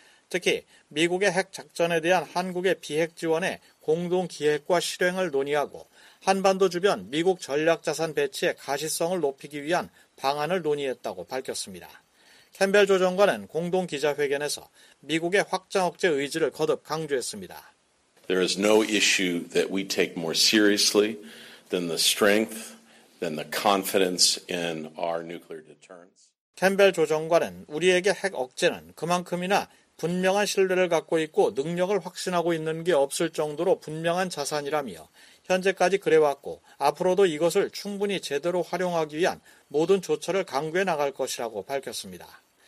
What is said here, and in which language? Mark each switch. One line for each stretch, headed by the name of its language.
Korean: 특히 미국의 핵 작전에 대한 한국의 비핵 지원의 공동 기획과 실행을 논의하고 한반도 주변 미국 전략 자산 배치의 가시성을 높이기 위한 방안을 논의했다고 밝혔습니다. 캠벨 조정관은 공동 기자회견에서 미국의 확장 억제 의지를 거듭 강조했습니다.
English: There is no issue that we take more seriously than the strength than the confidence in our nuclear deterrence.
Korean: 캠벨 조정관은 우리에게 핵 억제는 그만큼이나 분명한 신뢰를 갖고 있고 능력을 확신하고 있는 게 없을 정도로 분명한 자산이라며 현재까지 그래왔고 앞으로도 이것을 충분히 제대로 활용하기 위한 모든 조처를 강구해 나갈 것이라고 밝혔습니다.